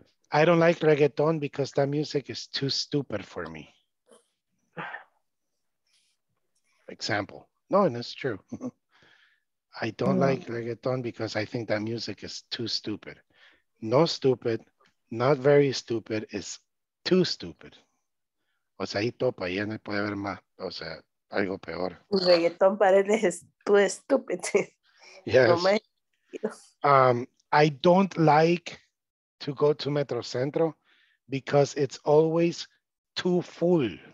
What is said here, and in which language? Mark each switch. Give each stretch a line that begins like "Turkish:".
English: I don't like reggaeton because that music is too stupid for me. Example. No, and it's true. I don't like reggaeton because I think that music is too stupid. No stupid, not very stupid, is too stupid.
Spanish: O sea, ahí topa, ya no puede haber más, o sea, algo peor. Reggaeton para él es
English: too stupid. Yes. I don't like to go to Metro Centro because it's always too full.